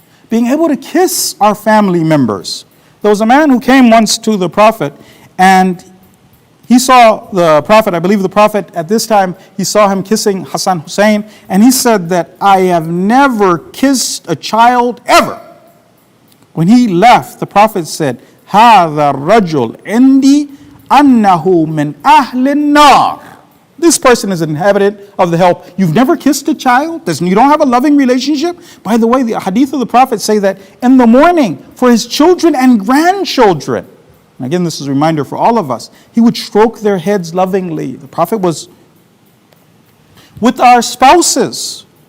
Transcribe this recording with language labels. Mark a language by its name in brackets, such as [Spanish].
[English] Being able to kiss our family members. There was a man who came once to the Prophet, and he saw the Prophet, I believe the Prophet at this time, he saw him kissing Hassan Hussein, and he said that, I have never kissed a child ever. When he left, the Prophet said, [Arabic] هذا الرجل عندي أنه من أهل النار. [English] This person is an inhabitant of the hell. You've never kissed a child? You don't have a loving relationship? By the way, the hadith of the Prophet say that in the morning, for his children and grandchildren, and again, this is a reminder for all of us, he would stroke their heads lovingly. The Prophet was with our spouses.